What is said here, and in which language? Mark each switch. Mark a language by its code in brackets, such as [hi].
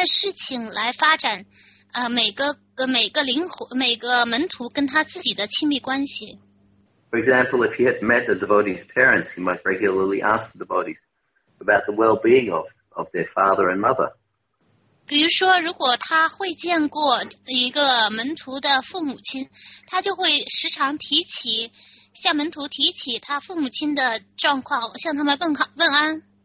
[zh] 常常圣帕帕德会通过一些非常简单的事情来发展 每个门徒跟他自己的亲密关系。 [en] For example, if he had met the devotee's parents, he might regularly ask the devotees about the well-being of their father and mother. [zh] 比如说，如果他会见过一个门徒的父母亲，他就会时常提起，向门徒提起他父母亲的状况，向他们问安。